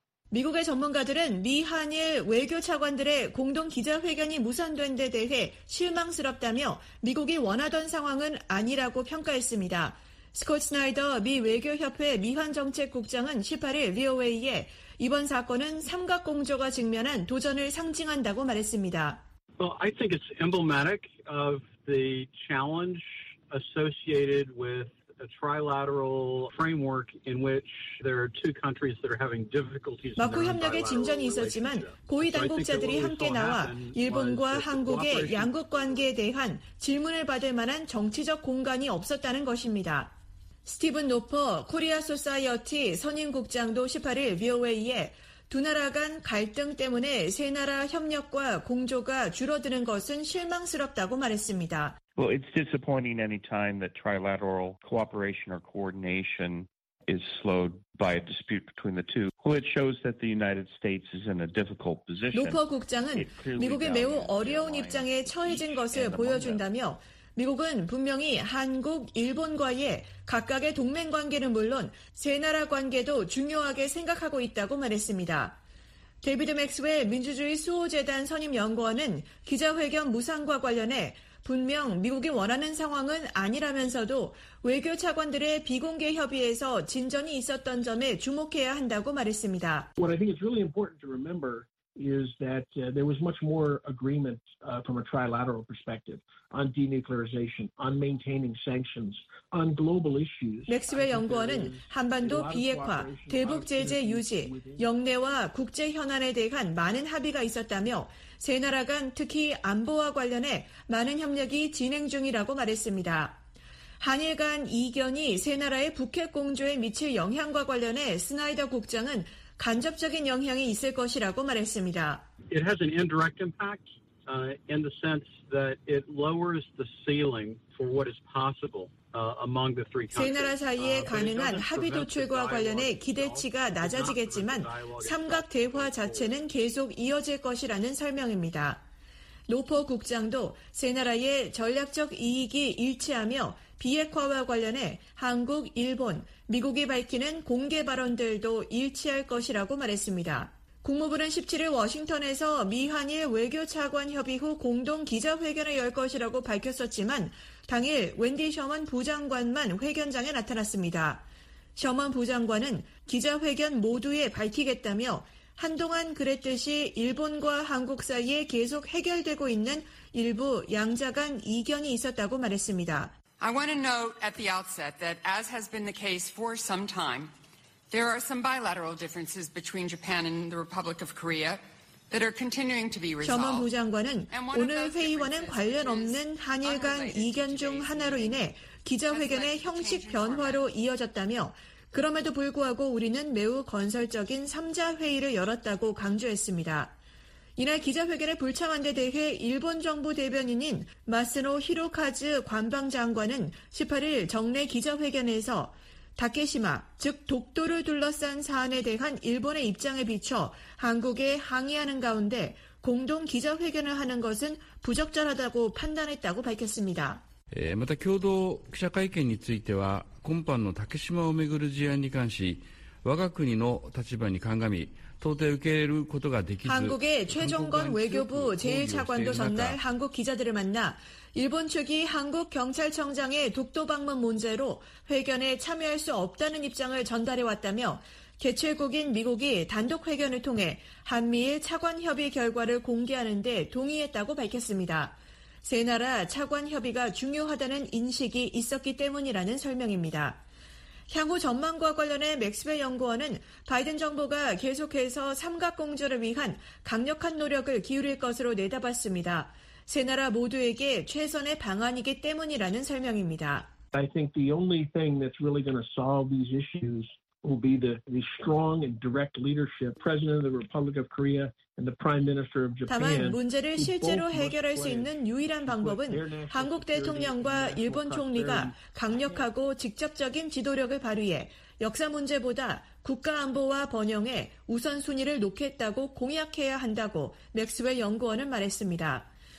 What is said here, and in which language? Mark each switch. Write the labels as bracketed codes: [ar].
[ko] 미국의 전문가들은 미, 한일 외교 차관들의 공동 기자회견이 무산된 데 대해 실망스럽다며 미국이 원하던 상황은 아니라고 평가했습니다. 스콧 스나이더 미 외교협회 미환정책국장은 18일 VOA에 이번 사건은 삼각공조가 직면한 도전을 상징한다고 말했습니다. [en] Well, I think it's emblematic of the challenge associated with a trilateral framework in which there are two countries that are having difficulties. [ko] 마쿠 협력의 진전이 있었지만 고위 당국자들이 함께 나와 일본과 한국의 양국 관계에 대한 질문을 받을 만한 정치적 공간이 없었다는 것입니다. 스티븐 노퍼 코리아 소사이어티 선임 국장도 18일 VOA에 두 나라 간 갈등 때문에 세 나라 협력과 공조가 줄어드는 것은 실망스럽다고 말했습니다. [en] Well, it's disappointing any time that trilateral cooperation or coordination is slowed by a dispute between the two. Well, it shows that the United States is in a difficult position. [ko] 노퍼 국장은 미국의 매우 어려운 입장에 처해진 것을 보여준다며 미국은 분명히 한국, 일본과의 각각의 동맹 관계는 물론 세 나라 관계도 중요하게 생각하고 있다고 말했습니다. 데이비드 맥스웰 민주주의 수호재단 선임 연구원은 기자회견 무상과 관련해 분명 미국이 원하는 상황은 아니라면서도 외교 차관들의 비공개 협의에서 진전이 있었던 점에 주목해야 한다고 말했습니다. [en] What I think is really important to remember is that there was much more agreement from a trilateral perspective on denuclearization, on maintaining sanctions, on global issues. [ko] 맥스웰 연구원은 한반도 비핵화, 대북 제재 유지, 영내와 국제 현안에 대한 많은 합의가 있었다며 세 나라 간 특히 안보와 관련해 많은 협력이 진행 중이라고 말했습니다. 한일 간 이견이 세 나라의 북핵 공조에 미칠 영향과 관련해 스나이더 국장은 간접적인 영향이 있을 것이라고 말했습니다. [en] It has an indirect impact in the sense that it lowers the ceiling for what is possible among the three countries. [ko] 세 나라 사이에 가능한 합의 도출과 관련해 기대치가 낮아지겠지만 삼각 대화 자체는 계속 이어질 것이라는 설명입니다. 노퍼 국장도 세 나라의 전략적 이익이 일치하며 비핵화와 관련해 한국, 일본, 미국이 밝히는 공개 발언들도 일치할 것이라고 말했습니다. 국무부는 17일 워싱턴에서 미한일 외교차관 협의 후 공동 기자회견을 열 것이라고 밝혔었지만 당일 웬디 셔먼 부장관만 회견장에 나타났습니다. 셔먼 부장관은 기자회견 모두에 밝히겠다며 한동안 그랬듯이 일본과 한국 사이에 계속 해결되고 있는 일부 양자 간 이견이 있었다고 말했습니다. [en] I want to note at the outset that as has been the case for some time, there are some bilateral differences between Japan and the Republic of Korea that are continuing to be resolved. [ko] 셔먼 부장관은 오늘 회의와는 관련 없는 한일 간 이견 중 하나로 인해 기자회견의 형식 변화로 이어졌다며 그럼에도 불구하고 우리는 매우 건설적인 3자 회의를 열었다고 강조했습니다. 이날 기자회견에 불참한 데 대해 일본 정부 대변인인 마스노 히로카즈 관방장관은 18일 정례 기자회견에서 다케시마, 즉 독도를 둘러싼 사안에 대한 일본의 입장에 비춰 한국에 항의하는 가운데 공동 기자회견을 하는 것은 부적절하다고 판단했다고 밝혔습니다. 또 공동 기자회견 [ja] については 今般の 竹島をめぐる事案に関し 我が国の立場に鑑み [ko] 한국의 최종건 외교부 제1차관도 전날 한국 기자들을 만나 일본 측이 한국 경찰청장의 독도 방문 문제로 회견에 참여할 수 없다는 입장을 전달해왔다며 개최국인 미국이 단독 회견을 통해 한미일 차관협의 결과를 공개하는 데 동의했다고 밝혔습니다. 세 나라 차관협의가 중요하다는 인식이 있었기 때문이라는 설명입니다. 향후 전망과 관련해 맥스웰 연구원은 바이든 정부가 계속해서 삼각공조를 위한 강력한 노력을 기울일 것으로 내다봤습니다. 세 나라 모두에게 최선의 방안이기 때문이라는 설명입니다. [en] I think the only thing that's really going to solve these issues will be the strong and direct leadership President of the Republic of Korea and the Prime Minister of Japan. [ko] 다만 문제를 실제로 해결할 수 있는 유일한 방법은 한국 대통령과 일본 총리가 강력하고 직접적인 지도력을 발휘해 역사 문제보다 국가 안보와 번영에 우선순위를 놓겠다고 공약해야 한다고 맥스웰 연구원은 말했습니다.